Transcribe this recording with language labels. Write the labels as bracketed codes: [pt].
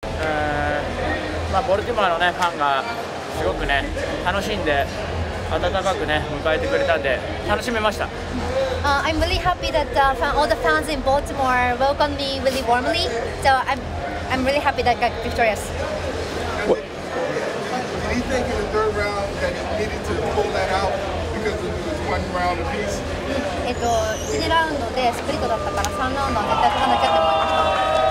[ja] まあ、ボルティモアの、ね、ファンがすごくね楽しんで温かくね迎えてくれたんで楽しめました。 [en] I'm really happy that all the fans in Baltimore welcomed me really warmly. So I'm really happy that I got victorious. What? Did he think in the third round that he needed to pull that out because it was one round apiece? [ja] 1ラウンドでスプリットだったから3ラウンドは絶対取らなきゃって思いました。